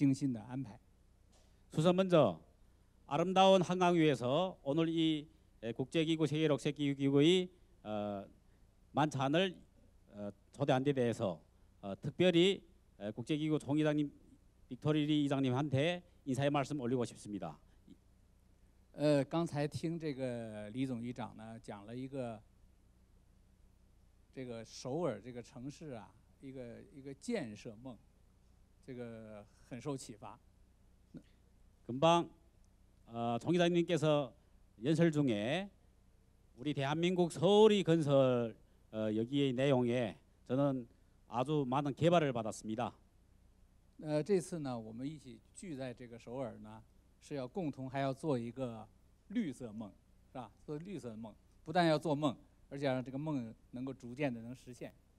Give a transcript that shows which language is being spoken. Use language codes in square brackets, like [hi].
[zh] 在这么美丽的汉江上了，应该是哈，上汉江上，来开会晚宴，这是一个非常高兴的事儿。这个要感谢绿色气候组织，感谢李总议长精心的安排。首先， [ko] 먼저 아름다운 한강 위에서 오늘 이 국제기구 세계 녹색 기구의 만찬을 초대한 데 대해서 특별히 국제기구 총이사님 빅토리 이사님한테 인사의 말씀 올리고 싶습니다. [zh] 刚才听这个李总议长呢讲了一个这个首尔这个城市啊一个建设梦，这个很受启发。 [ko] 금방 총이사님께서 연설 중에 우리 대한민국 서울이 건설 여기의 내용에 저는 아주 많은 개발을 받았습니다. [zh] 这次呢，我们一起聚在这个首尔呢，是要共同还要做一个绿色梦，是吧？做绿色梦，不但要做梦，而且让这个梦能够逐渐的能实现。